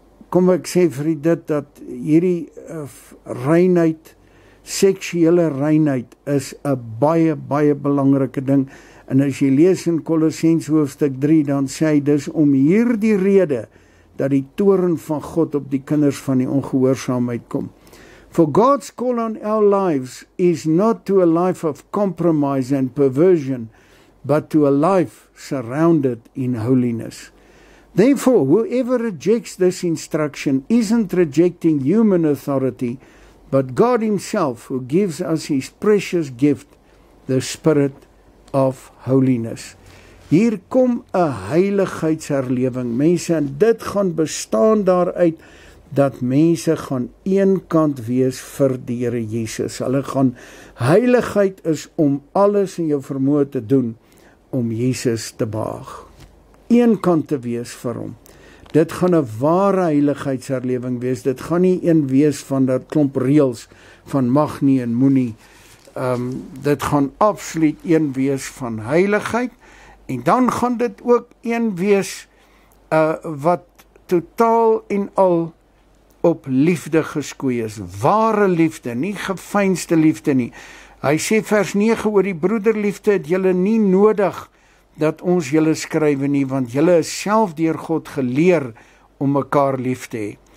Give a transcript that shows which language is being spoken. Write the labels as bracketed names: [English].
[Afrikaans] Kom ek sê vir dit, dat hierdie reinheid, seksuele reinheid, is 'n baie, baie belangrike ding. En as jy lees in Kolossense hoofstuk 3, dan sê hy dus om hierdie rede, dat die toorn van God op die kinders van die ongehoorsaamheid kom. [English] For God's call on our lives is not to a life of compromise and perversion, but to a life surrounded in holiness. Therefore, whoever rejects this instruction isn't rejecting human authority, but God Himself, who gives us His precious gift, the Spirit of Holiness. [Afrikaans] Hier kom 'n heiligheidserlewing, mense, en dit gaan bestaan daaruit, dat mense gaan een kant wees vir die Here Jesus. Hulle gaan, heiligheid is om alles in jou vermoë te doen, om Jesus te behaag. Een kant te wees vir hom. Dit gaan 'n ware heiligheidserlewing wees. Dit gaan nie een wees van dat klomp reels van mag nie en moenie nie. Dit gaan absoluut een wees van heiligheid. En dan gaan dit ook een wees wat totaal en al op liefde geskoei is. Ware liefde, nie geveinsde liefde nie. Hy sê vers 9 oor die broederliefde, het julle nie nodig dat ons julle skrywe nie, want julle is self deur God geleer om mekaar lief te hê.